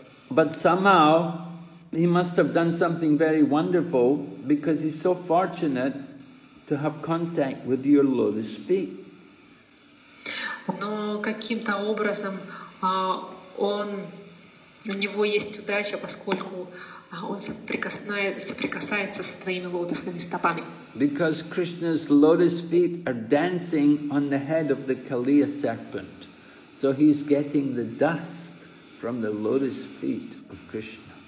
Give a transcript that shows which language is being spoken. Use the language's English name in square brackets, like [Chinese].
[English] But somehow he must have done something very wonderful because he's so fortunate to have contact with your lotus feet. [Russian] Но каким-то образом у него есть удача, поскольку он соприкасается с твоими лотосными стопами. [English] Because Krishna's lotus feet are dancing on the head of the Kaliya serpent. So he's getting the dust from the lotus feet of Krishna.